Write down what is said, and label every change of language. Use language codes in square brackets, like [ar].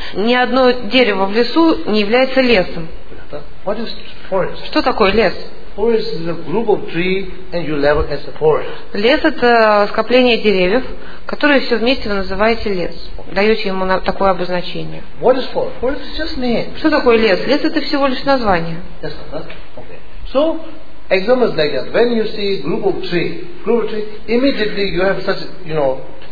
[ru] Ни одно дерево в лесу не является лесом. [en] What is forest? [ru] Что такое лес? [en] Forest is a group of trees and you label as a forest. [ru] Лес это скопление деревьев, которые все вместе вы называете лес. Даете ему такое обозначение. [en] What is forest? Forest is just name. [ru] Что такое лес? Лес это всего лишь название. [en] Yes, okay. So examples like that. When you see group of trees, immediately you have such, you know,